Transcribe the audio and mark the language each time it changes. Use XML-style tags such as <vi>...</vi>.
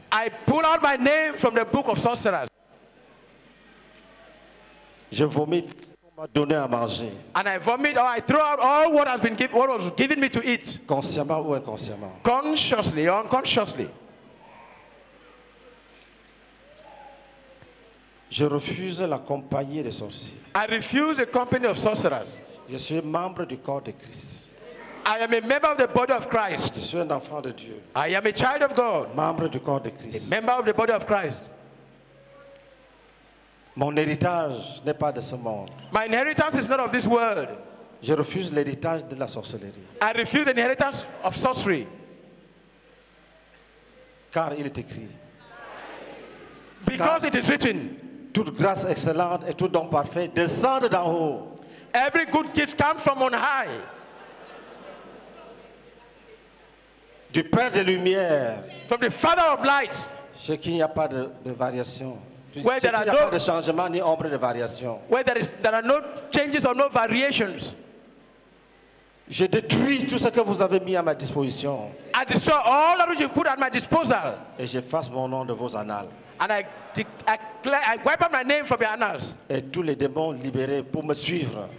<en>I pull out my name from the book of sorcerers.</en> <fr>Je vomis tout ce qu'on m'a donné à manger.</fr> <en>And I vomit or I throw out all what has been given, what was given me to eat.</en> <fr>Consciemment ou inconsciemment.</fr> <en>Consciously or unconsciously.</en> <fr>Je refuse la compagnie des sorciers.</fr> <en>I refuse the company of sorcerers.</en> <fr>Je suis membre du corps de Christ.</fr> <en>I am a member of the body of Christ.</en> <fr>Je suis un enfant de Dieu.</fr> <en>I am a child of God.</en> <fr>Membre du corps de Christ.</fr> <en>A member of the body of Christ.</en> <fr>Mon héritage n'est pas de ce monde.</fr> <en>My inheritance is not of this world.</en> <fr>Je refuse l'héritage de la sorcellerie.</fr> <en>I refuse the inheritance of sorcery.</en> <fr>Car il est écrit.</fr> <en>Because it is written.</en> <fr>Toute grâce excellente et tout don parfait descendent d'en haut.</fr> <en>Every good gift comes from on high.</en> <fr>Du Père de lumière.</fr> <en>From the Father of lights.</en> <fr>Chez qui il n'y a pas de variation.</fr> <en>Where there are no</en> <fr>de changement ni ombre de variation.</fr> <en>Where there are no changes or no variations.</en> <fr>Je détruis tout ce que vous avez mis à ma disposition.</fr> <en>I destroy all that you put at my disposal.</en> <fr>Et j'efface mon nom de vos annales.</fr> <en>And I wipe out my name from your annals.</en> <fr>Et tous les démons libérés pour me suivre.</fr>